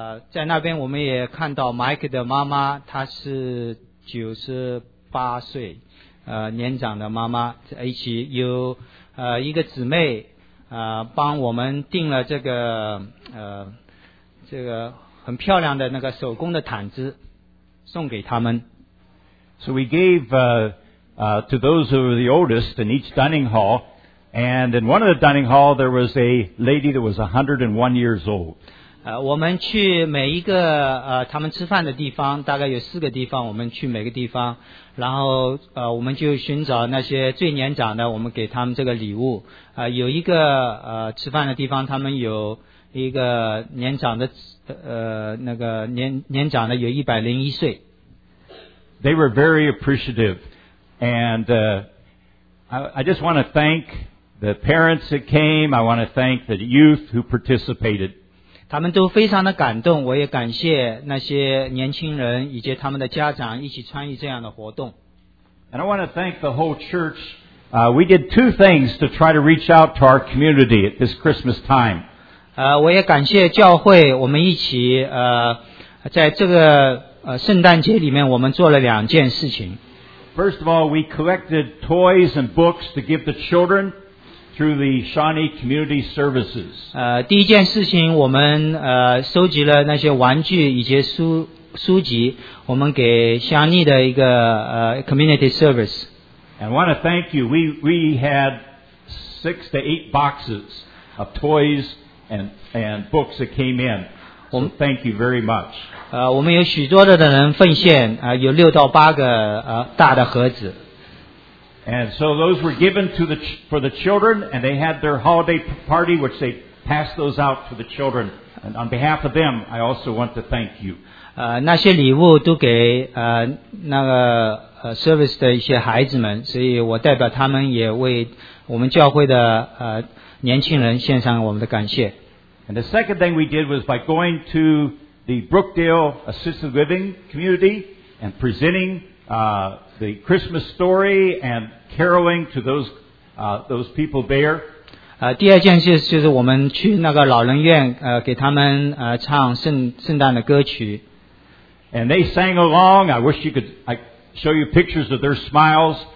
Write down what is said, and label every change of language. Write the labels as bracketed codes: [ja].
[zh] 在那边我们也看到 Mike 的妈妈，她是98岁，年长的妈妈，一起有一个姊妹帮我们订了这个很漂亮的那个手工的毯子送给他们。 [en] So we gave to those who were the oldest in each dining hall, and in one of the dining hall there was a lady that was 101 years old. [zh] 我们去每一个他们吃饭的地方，大概有四个地方，我们去每个地方，然后我们就寻找那些最年长的，我们给他们这个礼物。有一个吃饭的地方，他们有一个年长的那个年长的有101岁。 [en] They were very appreciative, and I just want to thank the parents that came. I want to thank the youth who participated. [zh] 他们都非常的感动，我也感谢那些年轻人以及他们的家长一起参与这样的活动。 [en] And I want to thank the whole church. We did two things to try to reach out to our community at this Christmas time. [zh] 我也感谢教会，我们一起在这个圣诞节里面，我们做了两件事情。 [en] First of all, we collected toys and books to give the children. Through the Shawnee Community Services. [zh] 第一件事情，我们收集了那些玩具以及书籍，我们给香妮的一个 [en] Community Service. And I want to thank you. We had 6 to 8 boxes of toys and books that came in. So thank you very much. [zh] 我们有许多的人奉献，有6到8个大的盒子。 [en] And so those were given to the, for the children, and they had their holiday party, which they passed those out to the children. And on behalf of them, I also want to thank you. [zh] 那些礼物都给那个service 的一些孩子们，所以我代表他们也为我们教会的年轻人献上我们的感谢。 [en] And the second thing we did was by going to the Brookdale Assisted Living community and presenting the Christmas story and caroling to those people there. [zh] 第二件事就是我们去那个老人院给他们唱圣诞的歌曲。 [en] And they sang along. I wish you could show you pictures of their smiles.